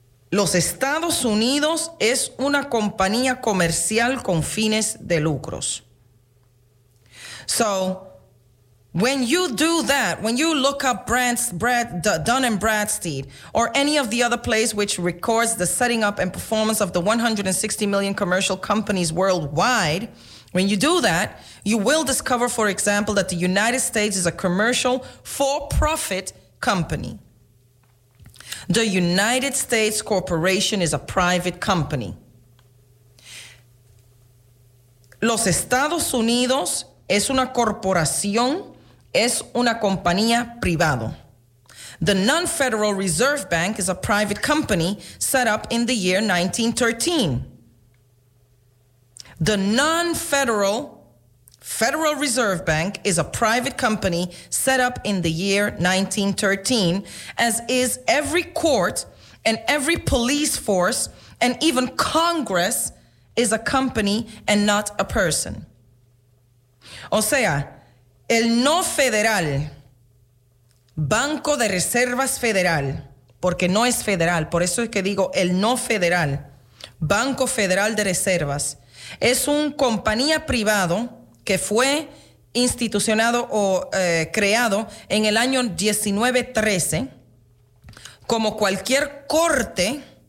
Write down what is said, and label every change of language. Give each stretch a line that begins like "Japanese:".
Spanish: Los Estados Unidos es una compañía comercial con fines de lucros.
English: So, when you do that, when you look up Dun and Bradstreet or any of the other place which records the setting up and performance of the 160 million commercial companies worldwide, when you do that, you will discover, for example, that the United States is a commercial for-profit company. The United States Corporation is a private company.
Spanish: Los Estados Unidos es una corporación, es una compañía privada.
English: The non-federal Reserve Bank is a private company set up in the year 1913. The non-federal Federal Reserve Bank is a private company set up in the year 1913, as is every court and every police force, and even Congress is a company and not a person.
Spanish: O sea, el no federal, Banco de Reservas Federal, porque no es federal, por eso es que digo el no federal, Banco Federal de Reservas, es una compañía privada que fue institucionado o creado en el año 1913 como cualquier corte